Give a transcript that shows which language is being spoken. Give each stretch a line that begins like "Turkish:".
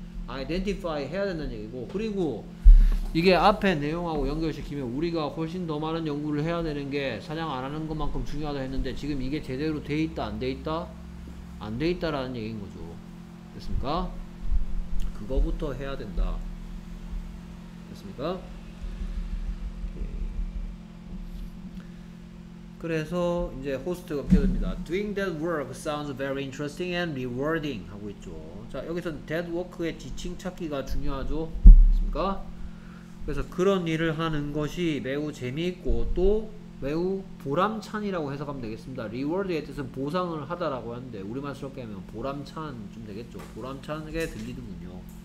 Korean: 아이덴티파이 해야 된다는 얘기고, 그리고 이게 앞에 내용하고 연결시키면 우리가 훨씬 더 많은 연구를 해야 되는 게 사냥 안 하는 것만큼 중요하다 했는데 지금 이게 제대로 돼 있다 안 돼 있다? 안 돼 있다라는 얘기인 거죠. 됐습니까? 그거부터 해야 된다. 됐습니까? 그래서 이제 호스트가 표현됩니다.
English: Doing that work sounds very interesting and rewarding
Korean: 하고 있죠. 자, 여기서 that work의 지칭 찾기가 중요하죠. 됐습니까? 그래서 그런 일을 하는 것이 매우 재미있고 또 매우 보람찬이라고 해석하면 되겠습니다. reward의 뜻은 보상을 하다라고 하는데 우리말스럽게 하면 보람찬 좀 되겠죠. 보람찬하게 들리는군요.